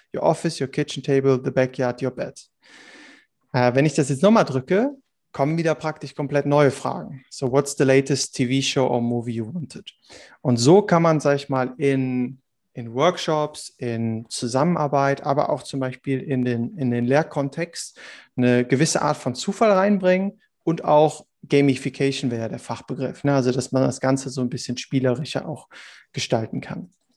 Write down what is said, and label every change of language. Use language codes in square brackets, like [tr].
[en] Your office, your kitchen table, the backyard, your bed. [de] Wenn ich das jetzt nochmal drücke, kommen wieder praktisch komplett neue Fragen. [en] So what's the latest TV show or movie you wanted? [de] Und so kann man, sag ich mal, in Workshops, in Zusammenarbeit, aber auch zum Beispiel in den Lehrkontext eine gewisse Art von Zufall reinbringen und auch Gamification wäre ja der Fachbegriff, ne? Also dass man das Ganze so ein bisschen spielerischer auch gestalten kann.